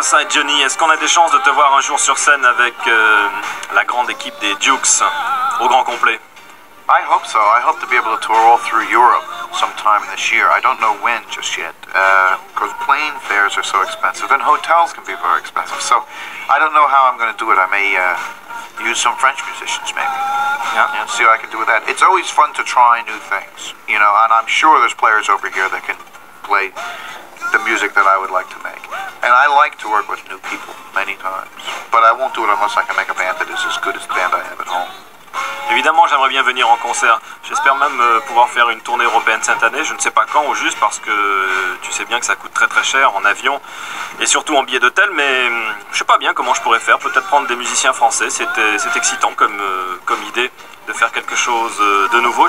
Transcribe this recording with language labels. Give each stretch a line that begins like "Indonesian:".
French: Johnny, est-ce qu'on a des chances de te voir un jour sur scène avec la grande équipe des Dukes au grand complet?
English: I hope so. I hope to be able to tour all through Europe sometime this year. I don't know when just yet, because plane fares are so expensive and hotels can be very expensive. So I don't know how I'm going to do it. I may use some French musicians, maybe. Yeah. Yeah. See what I can do with that. It's always fun to try new things, you know. And I'm sure there's players over here that can play the music that I would like to make. And I like to work with new people many times. But I won't do it unless I can make a band that is as good as the band I have at home.
French: Évidemment, j'aimerais bien venir en concert. J'espère même pouvoir faire une tournée européenne cette année. Je ne sais pas quand, au juste, parce que tu sais bien que ça coûte très très cher en avion et surtout en billets d'hôtel. Mais je sais pas bien comment je pourrais faire. Peut-être prendre des musiciens français. C'est excitant comme idée de faire quelque chose de nouveau.